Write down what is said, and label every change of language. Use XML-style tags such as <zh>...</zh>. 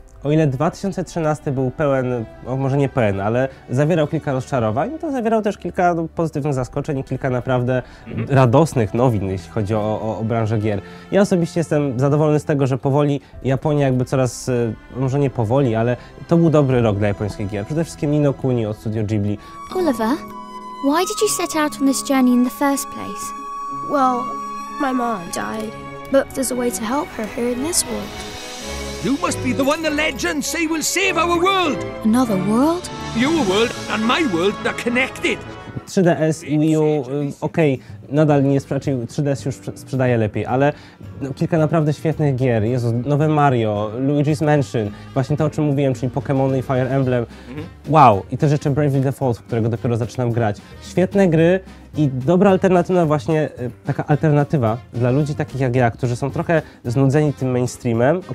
<pl>O ile 2013 był pełen, no może nie pełen, ale zawierał kilka rozczarowań, to zawierał też kilka pozytywnych zaskoczeń i kilka naprawdę radosnych nowin, jeśli chodzi o branżę gier. Ja osobiście jestem zadowolony z tego, że powoli Japonia jakby coraz, może nie powoli, ale to był dobry rok dla japońskich gier. Przede wszystkim Ni no Kuni od Studio Ghibli.</pl> <en>Oliver, why did you set out on this journey in the first place? Well, my mom died, but there's a way to help her here in this world. You must be the one the legends say will save our world! Another world? Your world and my world are connected!</en> <pl>3DS i Wii U, okej, okay, nadal nie sprzedaje, 3DS już sprzedaje lepiej, ale no, kilka naprawdę świetnych gier. Jezu, nowe Mario, Luigi's Mansion, właśnie to, o czym mówiłem, czyli Pokémony i Fire Emblem. Wow, i też jeszcze Bravely Default, którego dopiero zaczynam grać. Świetne gry i dobra alternatywa właśnie, taka alternatywa dla ludzi takich jak ja, którzy są trochę znudzeni tym mainstreamem.</pl>